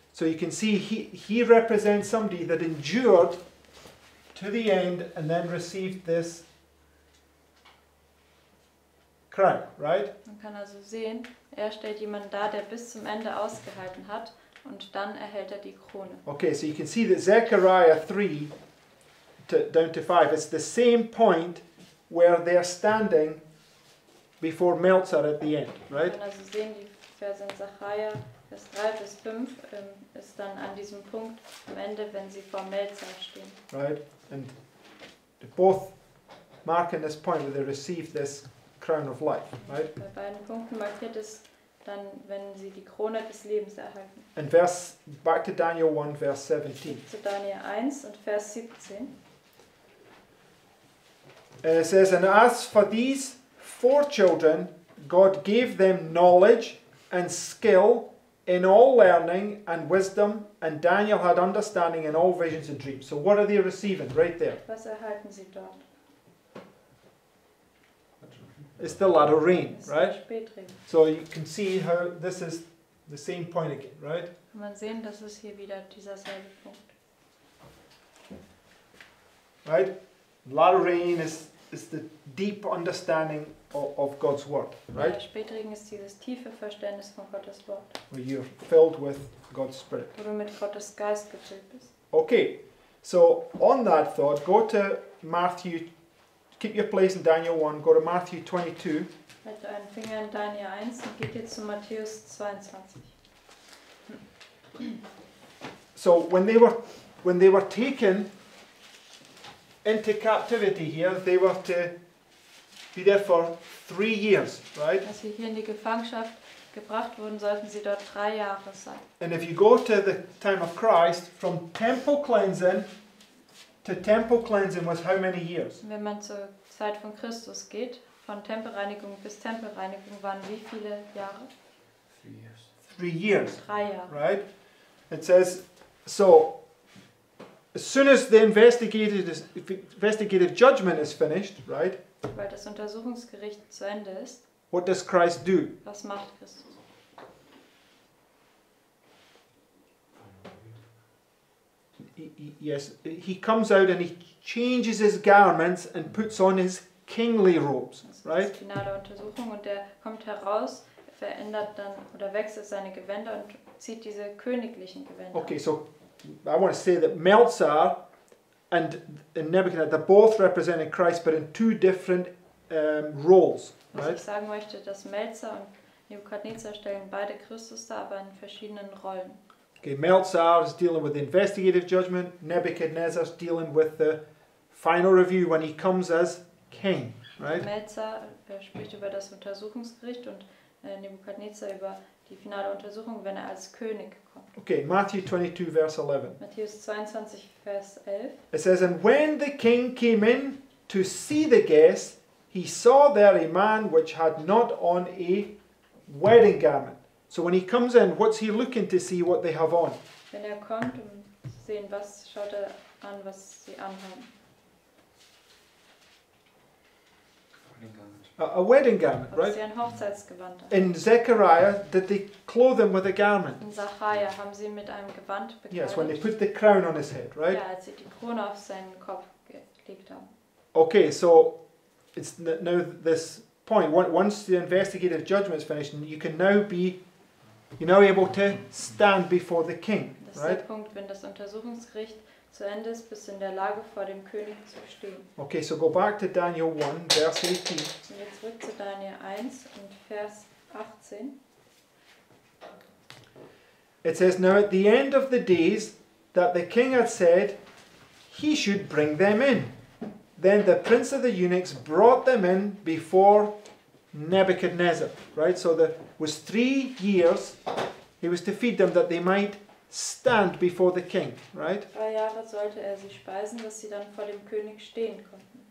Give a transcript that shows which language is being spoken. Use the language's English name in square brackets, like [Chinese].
[English] So you can see he represents somebody that endured to the end and then received this crown, right? [German] Man kann also sehen, er stellt jemanden dar, der bis zum Ende ausgehalten hat und dann erhält die Krone. [English] Okay, so you can see that Zechariah 3 to, down to 5 is the same point where they're standing before Meltzer at the end, right? [German] Man kann also sehen, die Verse in Zechariah 3 bis 5 ist dann an diesem Punkt am Ende, wenn sie vor Meltzer stehen. [English] Right, and they're both marking this point where they receive this crown of life, right? [German] Bei beiden Punkten markiert es dann, wenn sie die Krone des Lebens erhalten. [English] And verse, back to Daniel 1, verse 17. [German] Zu Daniel 1 und Vers 17. [English] And it says, and as for these four children, God gave them knowledge and skill in all learning and wisdom, and Daniel had understanding in all visions and dreams. So what are they receiving right there? [German] Was erhalten sie dort? [English] It's the latter rain, right? [German] Spätregen. [English] So you can see how this is the same point again, right? [German] Kann man sehen, das ist hier wieder dieser selbe Punkt. [English] Right? Latter rain is the deep understanding of God's word, right? [German] Ja, Spätregen ist dieses tiefe Verständnis von Gottes Wort. [English] Where you're filled with God's Spirit. [German] Wo du mit Gottes Geist gefüllt bist. [English] Okay, so on that thought, go to Matthew. Keep your place in Daniel 1, go to Matthew 22. [German] Halt deinen Finger in Daniel 1 und geht jetzt zu Matthäus 22. [English] So when they were taken into captivity here, they were to be there for 3 years, right? [German] Als sie hier in die Gefangenschaft gebracht wurden, sollten sie dort 3 Jahre sein. [English] And if you go to the time of Christ, from temple cleansing to temple cleansing was how many years? [German] Wenn man zur Zeit von Christus geht, von Tempelreinigung bis Tempelreinigung, waren wie viele Jahre? [English] 3 years. [German] 3 Jahre. [English] Right? It says, so, as soon as the investigative judgment is finished, right? [German] Weil das Untersuchungsgericht zu Ende ist. [English] What does Christ do? [German] Was macht Christus? [English] Yes, he comes out and he changes his garments and puts on his kingly robes, right? [German] Finale Untersuchung und er kommt heraus, verändert dann oder wechselt seine Gewänder und zieht diese königlichen Gewänder. [English] Okay, so I want to say that Meltzer and Nebuchadnezzar both represented Christ, but in two different roles, right? [German] Was ich sagen möchte, dass Meltzer und Nebuchadnezzar stellen beide Christus dar, aber in verschiedenen Rollen. [English] Okay, Meltzer is dealing with the investigative judgment. Nebuchadnezzar is dealing with the final review when he comes as king, right? [German] Meltzer spricht über das Untersuchungsgericht und Nebuchadnezzar über die finale Untersuchung, wenn als König kommt. [English] Okay, Matthew 22, verse 11. [German] Matthäus 22, Vers 11. [English] It says, and when the king came in to see the guests, he saw there a man which had not on a wedding garment. So when he comes in, what's he looking to see what they have on? [German] Wenn er kommt, um zu sehen, was schaut er an, was sie anhaben? [English] A wedding garment, right? [German] Sie ein Hochzeitsgewand an. [English] In Zechariah, did they clothe him with a garment? [German] In Zechariah haben sie ihn mit einem Gewand bekleidet. [English] Yes, when they put the crown on his head, right? [German] Ja, als sie die Krone auf seinen Kopf gelegt haben. [English] Okay, so it's now this point. Once the investigative judgment is finished, you can now be you're now able to stand before the king, right? [German] Das ist der Punkt, wenn das Untersuchungsgericht zu Ende ist, bist du in der Lage, vor dem König zu stehen. [English] Okay, so go back to Daniel 1, verse 18. [German] Und jetzt zurück zu Daniel 1 und Vers 18. [English] It says, now at the end of the days that the king had said, he should bring them in. Then the prince of the eunuchs brought them in before Nebuchadnezzar, right? So there was 3 years he was to feed them that they might stand before the king, right? [German] 3 Jahre sollte er sie speisen, dass sie dann vor dem König stehen konnten.